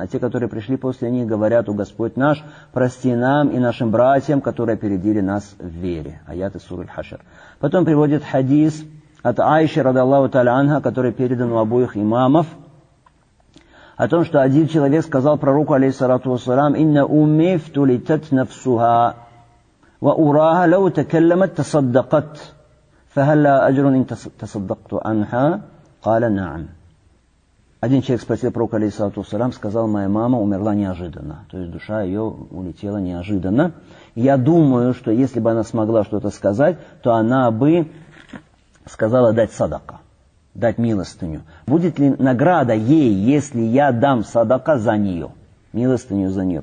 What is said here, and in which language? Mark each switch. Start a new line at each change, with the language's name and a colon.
Russian: А те, которые пришли после них, говорят: «О Господь наш, прости нам и нашим братьям, которые опередили нас в вере». Аят из суры аль-Хашр. Потом приводит хадис от Аиши радиаллаху та'аля анха, который передан у обоих имамов, о том, что один человек сказал пророку, алейхиссалату вассалам,
Arabic: «Инна умми фтулитат нафсуха». وأراها لو تكلمت تصدقت فهل لا أجر إن تصدقت عنها قال نعم.
Russian: Один человек спросил пророка, алейхиссалату вассалям, сказал, моя мама умерла неожиданно, то есть душа ее улетела неожиданно. Я думаю, что если бы она смогла что-то сказать, то она бы сказала дать садака, дать милостыню. Будет ли награда ей, если я дам садака за нее, милостыню за нее?